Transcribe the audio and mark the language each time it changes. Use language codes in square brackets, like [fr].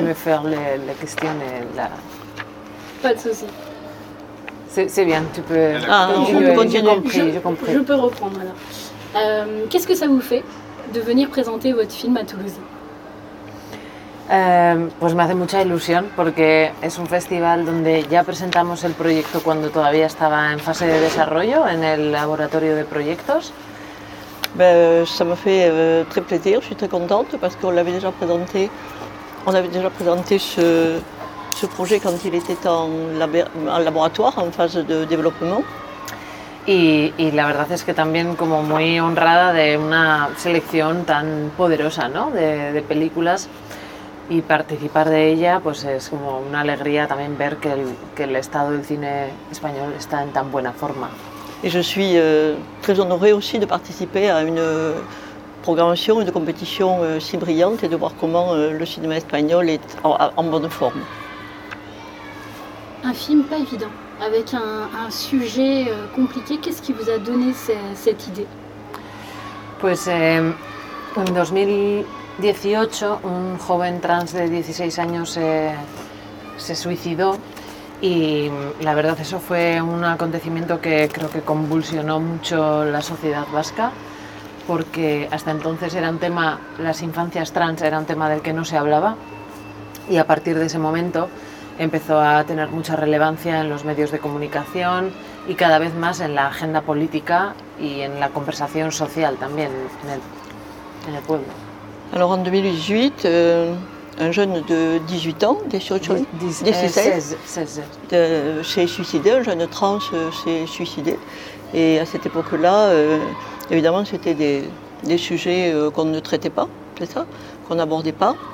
[fr] me faire la question. Pas de souci. C'est bien, tu peux continuer. J'ai compris. Je peux reprendre alors. Qu'est-ce que ça vous fait de venir présenter votre film à Toulouse ? [es] Pues me hace mucha ilusión porque es un festival donde ya presentamos el proyecto cuando todavía estaba en fase de desarrollo en el laboratorio de proyectos. [fr] Ça me fait très plaisir, je suis très contente parce qu'on l'avait déjà présenté. On avait déjà présenté ce projet quand il était en laboratoire, en fase de développement. [es] Y la verdad es que también como muy honrada de una selección tan poderosa, ¿no? De películas y participar de ella, pues es como una alegría también ver que el estado del cine español está en tan buena forma. [fr] Et je suis très honorée aussi de participer à une programmation, une compétition si brillante et de voir comment le cinéma espagnol est en bonne forme. Un film pas évident, avec un sujet compliqué. Qu'est-ce qui vous a donné cette idée? [es] Pues en 2018, un joven trans de 16 años se suicidó. Y la verdad, eso fue un acontecimiento que creo que convulsionó mucho la sociedad vasca, porque hasta entonces era un tema, las infancias trans era un tema del que no se hablaba, y a partir de ese momento empezó a tener mucha relevancia en los medios de comunicación y cada vez más en la agenda política y en la conversación social también en el pueblo. [fr] Alors en 2018, un jeune de 18 ans, 16, s'est suicidé, un jeune trans s'est suicidé. Et à cette époque-là, évidemment, c'était des sujets qu'on ne traitait pas, c'est ça, qu'on n'abordait pas.